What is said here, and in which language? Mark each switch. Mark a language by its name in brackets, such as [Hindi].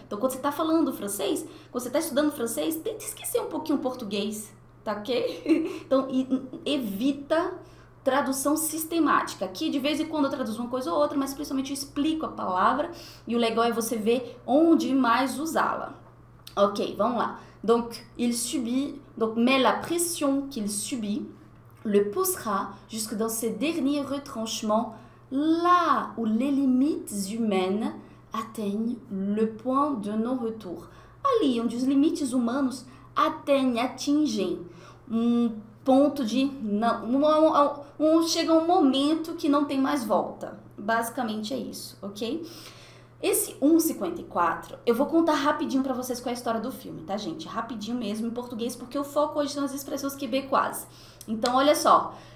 [Portuguese] Então quando você tá falando francês, quando você tá estudando francês, tenta esquecer um pouquinho o português. Tá ok? Então, evita tradução sistemática. Aqui, de vez em quando, eu traduzo uma coisa ou outra, mas principalmente eu explico a palavra e o legal é você ver onde mais usá-la. Ok, vamos lá. [French] Mais la pression qu'il subit le poussera jusque dans ses derniers retranchements, là où les limites humaines atteignent le point de non-retour. [Portuguese] Ali, onde os limites humanos atingem. Um ponto de não, chega um momento que não tem mais volta. Basicamente é isso, ok? Esse 1,54, eu vou contar rapidinho para vocês qual é a história do filme, tá, gente? Rapidinho mesmo em português, porque o foco hoje são as expressões que bem quase. Então, olha só.